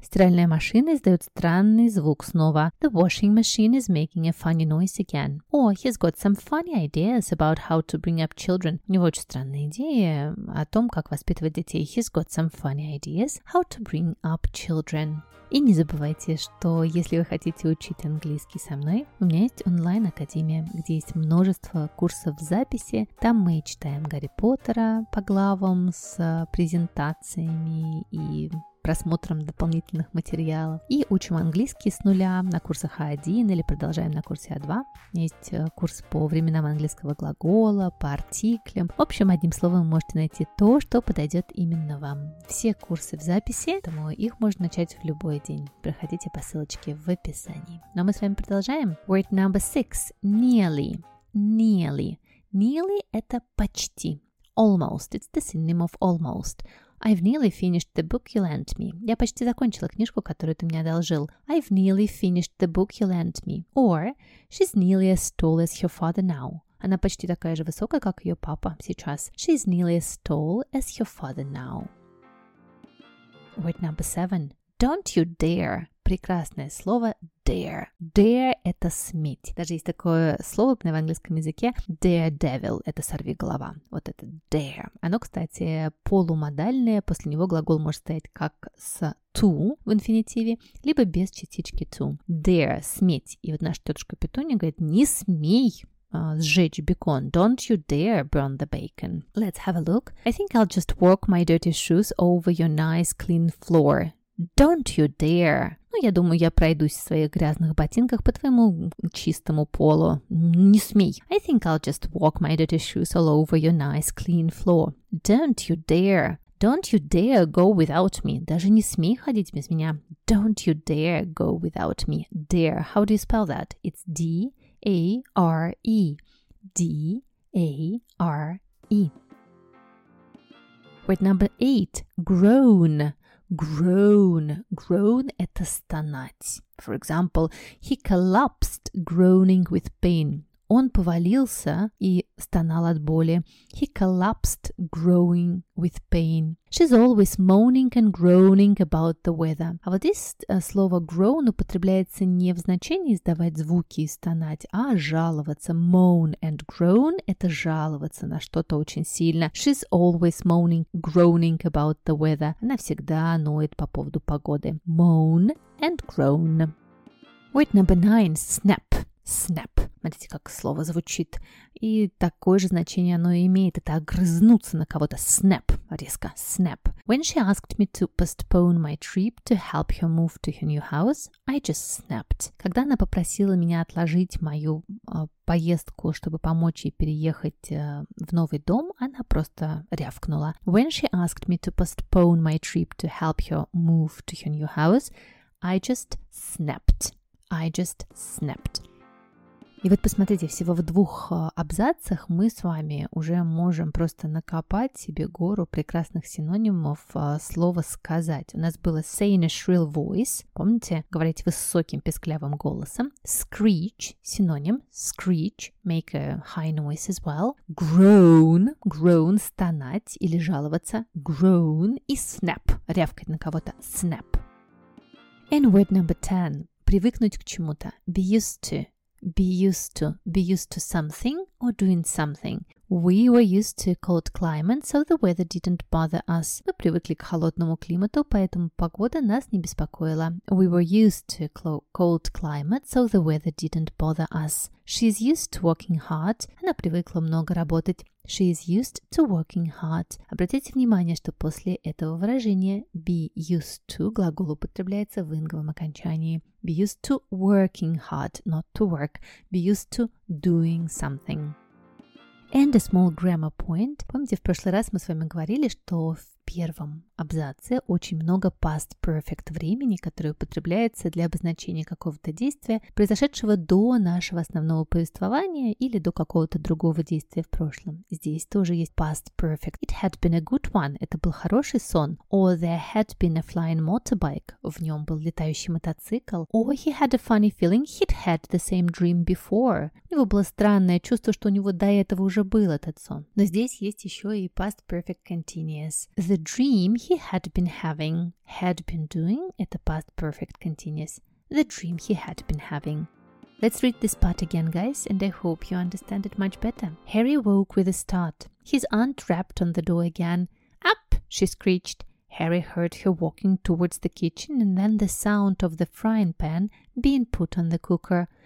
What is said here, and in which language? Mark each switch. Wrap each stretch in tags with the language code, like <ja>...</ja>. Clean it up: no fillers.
<ru>Стиральная машина издает странный звук снова.</ru> <en>The washing machine is making a funny noise again. Or he's got some funny ideas about how to bring up children.</en> <ru>У него очень странная идея о том, как воспитывать детей.</ru> <en>He's got some funny ideas how to bring up children.</en> <ru>И не забывайте, что если вы хотите учить английский со мной, у меня есть онлайн-академия, где есть множество курсов в записи. Там мы читаем Гарри Поттера по главам с презентациями и просмотром дополнительных материалов. И учим английский с нуля на курсах А1 или продолжаем на курсе А2. Есть курс по временам английского глагола, по артиклям. В общем, одним словом, вы можете найти то, что подойдет именно вам. Все курсы в записи, поэтому их можно начать в любой день. Проходите по ссылочке в описании. Но мы с вами продолжаем.</ru> <en>Word number six. Nearly. Nearly.</en> <ru>Nearly – это почти.</ru> <en>Almost. It's the synonym of almost. I've nearly finished the book you lent me.</en> <ru>Я почти закончила книжку, которую ты мне одолжил.</ru> <en>I've nearly finished the book you lent me. Or, she's nearly as tall as her father now.</en> <ru>Она почти такая же высокая, как ее папа сейчас.</ru> <en>She's nearly as tall as her father now. Word number 7. Don't you dare.</en> <ru>Прекрасное слово dare. Dare – это сметь. Даже есть такое слово в английском языке daredevil – это сорвиголова. Вот это dare. Оно, кстати, полумодальное. После него глагол может стоять как с to в инфинитиве, либо без частички to. Dare – сметь. И вот наша тетушка Петунья говорит, не смей сжечь бекон.</ru> <en>Don't you dare burn the bacon. Let's have a look. I think I'll just walk my dirty shoes over your nice clean floor. Don't you dare.</en> <ru>Ну, я думаю, я пройдусь в своих грязных ботинках по твоему чистому полу. Не смей.</ru> <en>I think I'll just walk my dirty shoes all over your nice clean floor. Don't you dare. Don't you dare go without me.</en> <ru>Даже не смей ходить без меня.</ru> <en>Don't you dare go without me. Dare. How do you spell that? It's D-A-R-E. D-A-R-E. Word number 8. Groan. Groan.</en> <ru>Groan – это стонать.</ru> <en>For example, he collapsed groaning with pain.</en> <ru>Он повалился и стонал от боли.</ru> <en>He collapsed groaning with pain. She's always moaning and groaning about the weather.</en> <ru>А вот здесь слово groan употребляется не в значении издавать звуки и стонать, а жаловаться. Moan and groan – это жаловаться на что-то очень сильно.</ru> <en>She's always moaning, groaning about the weather.</en> <ru>Она всегда ноет по поводу погоды.</ru> <en>Moan and groan. Word number 9 – snap. Snap.</en> <ru>Смотрите, как слово звучит. И такое же значение оно имеет. Это огрызнуться на кого-то. Snap. Резко. Snap.</ru> <en>When she asked me to postpone my trip to help her move to her new house, I just snapped.</en> <ru>Когда она попросила меня отложить мою поездку, чтобы помочь ей переехать в новый дом, она просто рявкнула.</ru> <en>When she asked me to postpone my trip to help her move to her new house, I just snapped. I just snapped.</en> <ru>И вот посмотрите, всего в двух абзацах мы с вами уже можем просто накопать себе гору прекрасных синонимов слова «сказать». У нас было</ru> <en>«say in a shrill voice»,</en> <ru>помните, говорить высоким писклявым голосом, «screech» – синоним, «screech» –</ru> <en>make a high noise as well,</en> <ru>«groan» – «groan» – стонать или жаловаться, «groan» и «snap» – рявкать на кого-то, «snap».</ru> <en>And word number 10 –</en> <ru>привыкнуть к чему-то,</ru> <en>«be used to». Be used to something or doing something. We were used to cold climate, so the weather didn't bother us.</en> <ru>Мы привыкли к холодному климату, поэтому погода нас не беспокоила.</ru> <en>We were used to cold climate, so the weather didn't bother us. She's used to working hard.</en> <ru>Она привыкла много работать.</ru> <en>She is used to working hard.</en> <ru>Обратите внимание, что после этого выражения be used to глагол употребляется в инговом окончании.</ru> <en>Be used to working hard, not to work. Be used to doing something. And a small grammar point.</en> <ru>Помните, в прошлый раз мы с вами говорили, что в первом абзаце очень много past perfect времени, которое употребляется для обозначения какого-то действия, произошедшего до нашего основного повествования или до какого-то другого действия в прошлом. Здесь тоже есть past perfect.</ru> <en>It had been a good one.</en> <ru>Это был хороший сон.</ru> <en>Or there had been a flying motorbike.</en> <ru>В нем был летающий мотоцикл.</ru> <en>Or he had a funny feeling he'd had the same dream before.</en> <ru>У него было странное чувство, что у него до этого уже был этот сон. Но здесь есть еще и past perfect continuous.</ru> <en>The dream he had been having, had been doing, это past perfect continuous. The dream he had been having. Let's read this part again, guys, and I hope you understand it much better. Harry woke with a start. His aunt rapped on the door again. Up, she screeched. Harry heard her walking towards the kitchen and then the sound of the frying pan being put on the cooker.</en>